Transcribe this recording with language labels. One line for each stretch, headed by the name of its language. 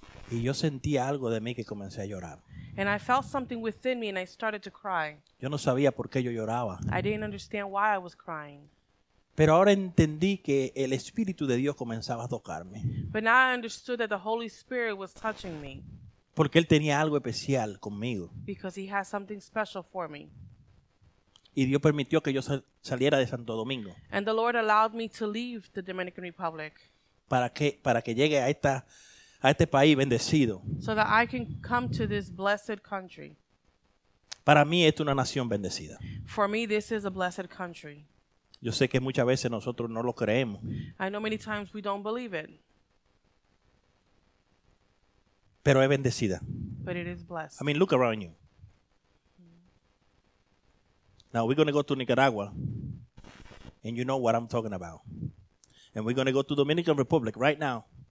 Spanish: Y yo sentía algo de mí que comencé a llorar.
English: And I felt something within me and I started to cry.
Spanish: Yo no sabía por qué yo lloraba.
English: I didn't understand why I was crying.
Spanish: Pero ahora entendí que el Espíritu de Dios comenzaba a tocarme.
English: But now I understood that the Holy Spirit was touching me.
Spanish: Porque Él tenía algo especial conmigo.
English: Because He has something special for me.
Spanish: Y Dios permitió que yo saliera de Santo Domingo.
English: And the Lord allowed me to leave the Dominican Republic.
Spanish: Para que llegue a este país bendecido.
English: So that I can come to this blessed country.
Spanish: Para mí es una nación bendecida.
English: For me, this is a blessed country.
Spanish: Yo sé que muchas veces nosotros no lo creemos.
English: I know many times we don't believe it.
Spanish: Pero es bendecida.
English: But it is blessed. I mean, look around you. Now we're going to go to Nicaragua. And you know what I'm talking about. And we're going to go to Dominican Republic right now.